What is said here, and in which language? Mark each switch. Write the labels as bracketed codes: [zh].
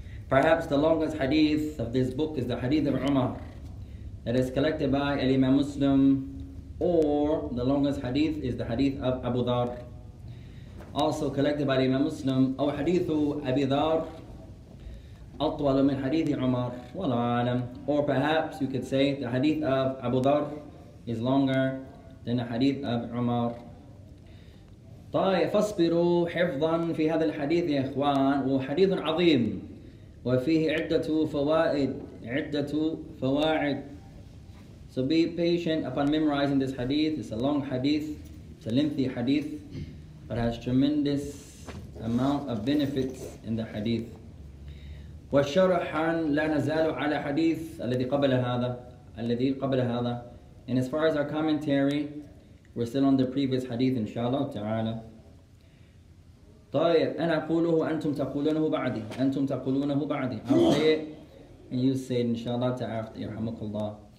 [en] perhaps the longest hadith of this book is the hadith of عمر that is collected by Imam Muslim, or the longest hadith is the hadith of Abu Dhar, also collected by Imam Muslim, or [ar] hadithu Abi Dhar, atwalu min hadithi Umar, wala alam. [en] Or perhaps you could say the hadith of Abu Dhar is longer than the hadith of Umar. [ar] طيب فاصبروا حفظا في هذا الحديث يا إخوان وحديث عظيم وفيه عدة فوائد [en] So be patient upon memorizing this hadith. It's a long hadith, it's a lengthy hadith, but has tremendous amount of benefits in the hadith. [ar] وَالشَّرَحًا لَا نَزَالُ عَلَى حَدِيثِ الَّذِي قَبْلَ هَذَا [en] الَّذِي قَبْلَ هَذَا And as far as our commentary, we're still on the previous hadith, inshallah ta'ala. [ar] طَيَبْ أَنَا قُولُهُ أَنْتُمْ تَقُولُونَهُ بَعْدِي أَنْتُمْ تَقُولُونَهُ بَعْدِي [en] I'll say it, and you say it, inshallah ta'ala, [ar] يَرْحَمُكُ اللَّهُ